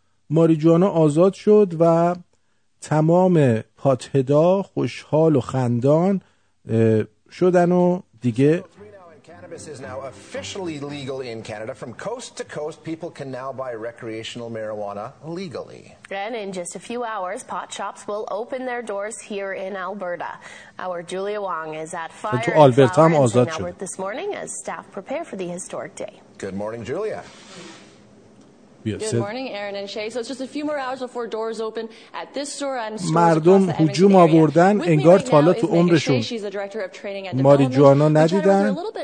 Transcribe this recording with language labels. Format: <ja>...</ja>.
<fa>ماری جوانا آزاد شد و تمام پاتهدا خوشحال و خندان شدن و دیگه</fa> <en>This is now officially legal in Canada. From coast to coast, people can now buy recreational marijuana legally. And in just a few hours, pot shops will open their doors here in Alberta. Our Julia Wong is at Fire and Flower in Albert this morning as staff prepare for the historic day. Good morning, Julia. Good morning, Aaron and Shay. So it's just a few more hours before doors open at this store and stores.</en> <fa>مردم هجوم آوردن انگار تالا تو عمرشون. ماری جوانا ندیدن.</fa>